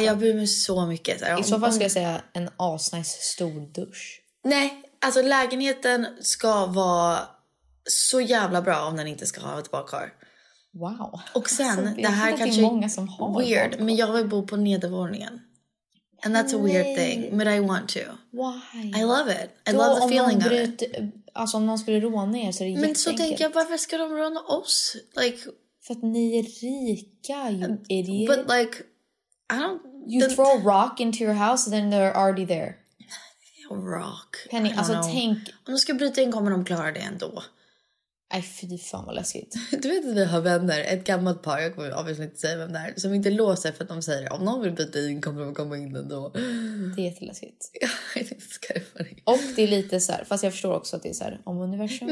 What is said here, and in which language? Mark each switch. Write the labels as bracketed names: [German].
[Swedish] Jag bryr mig så mycket. I så fall ska jag säga en asnice stor dusch. Nej, alltså lägenheten ska vara så jävla bra om den inte ska ha ett badkar. [English] Wow. [Swedish] Och sen, alltså, det här kanske är många som har weird, men jag vill bo på nedervåningen. [English] And that's a weird thing, but I want to. Why? I love it. I love the feeling of it. [Swedish] Alltså om någon skulle råna er så är det jätteenkelt. Men så tänker jag, varför ska de råna oss? [English] Like, [Swedish] för att ni är rika, [English] you idiot. But like, I don't... You throw a rock into your house and then they're already there. Rock. [Swedish] Penny, alltså tänk... Om de ska bryta in, kommer de klara det ändå? Ay, fy fan vad läskigt. Du vet att vi har vänner, ett gammalt par, jag kommer obviously inte säga vem det är, som inte låser för att de säger, om någon vill byta in kommer de komma in ändå. Det är jätteläskigt. Det är och det är lite så här, fast jag förstår också att det är så här, om universum.